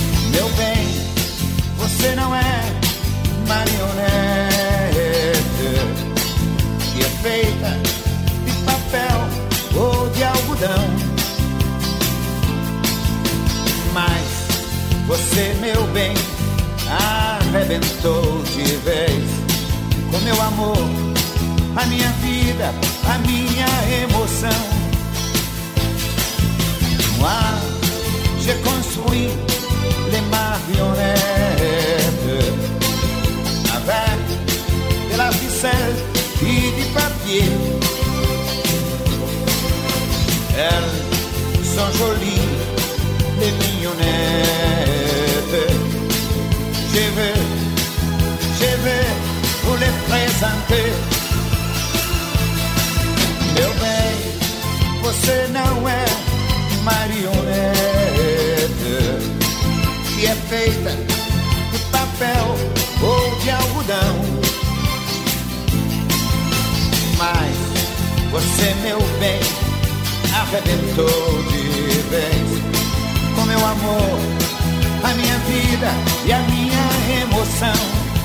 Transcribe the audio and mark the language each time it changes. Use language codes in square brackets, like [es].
[pt] Meu bem, você não é marionete que é feita de papel ou de algodão. Mas você, meu bem, arrebentou de vez com meu amor, a minha vida, a minha emoção. [fr] Moi, j'ai construit les marionnettes avec de la ficelle et du papier. Elles sont jolies, les mignonnettes. Je veux vous les présenter. [pt] Meu bem, você não é marionete que é feita de papel ou de algodão. Mas você, meu bem, arrebentou de vez com meu amor, a minha vida e a minha emoção.